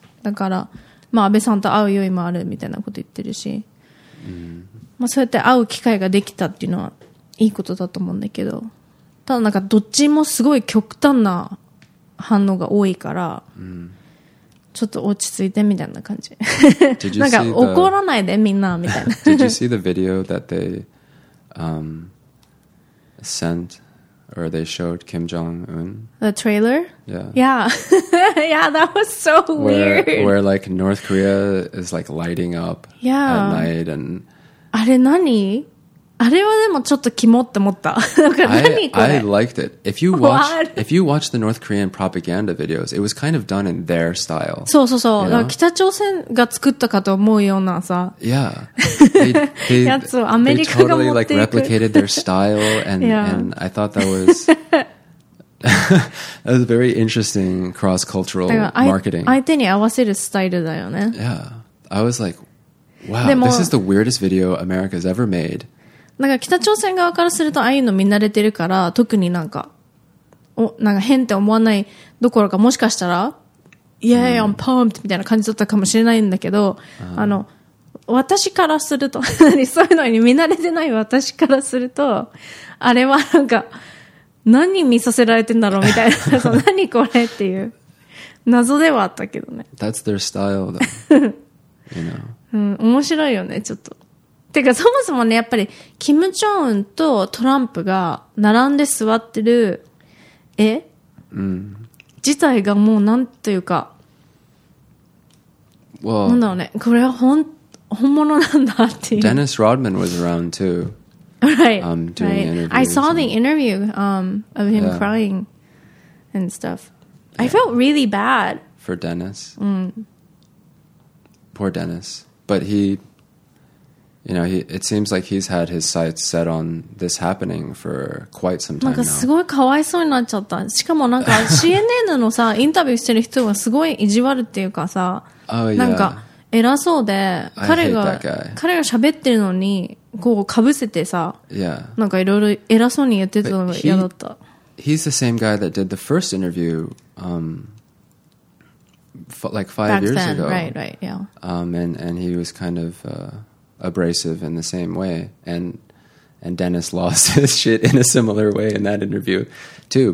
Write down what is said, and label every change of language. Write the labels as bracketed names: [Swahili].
[Japanese] だから、まあ、安倍さんと会う余裕もあるみたいなこと言ってるし、まあ、そうやって会う機会ができたっていうのはいいことだと思うんだけど、ただなんかどっちもすごい極端な反応が多いから、ちょっと落ち着いてみたいな感じ。なんか怒らないでみんなみたいな。 [English] Did you see the video that they sent or they showed Kim Jong Un? The trailer? Yeah. Yeah. Yeah, that was so weird. Where like North Korea is like lighting up at night and. [Japanese] あれ何？あれはでもちょっとキモって思った。なんか何これ [English] I liked it. If you watch the North Korean propaganda videos, it was kind of done in their style. [Japanese] そうそうそう。 [English] You know? [Japanese] 北朝鮮が作ったかと思うようなさ。 [English] Yeah. They, [Japanese] やつをアメリカが持っていく。 [English] They totally like replicated their style and, yeah. and I thought that was, that was a very interesting cross-cultural marketing. [Japanese] 相手に合わせるスタイルだよね。 [English] Yeah. I was like, wow, this is the weirdest video America's ever made. [Japanese] なんか北朝鮮側からするとああいうの見慣れてるから特になんかおなんか変って思わないどころかもしかしたら [English] Yeah, I'm pumped [Japanese] みたいな感じだったかもしれないんだけど、あの私からするとそういうのに見慣れてない私からするとあれはなんか何見させられてんだろうみたいなそ何これっていう謎ではあったけどね [English] That's their style though. You know. [Japanese] 面白いよねちょっとてかそもそもねやっぱりキム・ジョンウンとトランプが並んで座ってる絵、自体がもうなんというか、 [English] well, [Japanese] なんだろうねこれは本物なんだっていう。 [English] Dennis Rodman was around too. Right. Doing interviews. I saw the interview of him crying and stuff. I felt really bad for Dennis. Mm. Poor Dennis. But he You know, it seems like he's had his sights set on this happening for quite some time now. [Japanese] なんかすごいかわいそうになっちゃった。しかもなんか CNN のさ、インタビューしてる人がすごい意地悪っていうかさ、なんか偉そうで、彼が喋ってるのにこうかぶせてさ、なんかいろいろ偉そうに言ってたのが嫌だった。 [English] He's the same guy that did the first interview, like five years ago. Back then, right, yeah. And he was kind of... abrasive in the same way, and Dennis lost his shit in a similar way in that interview too.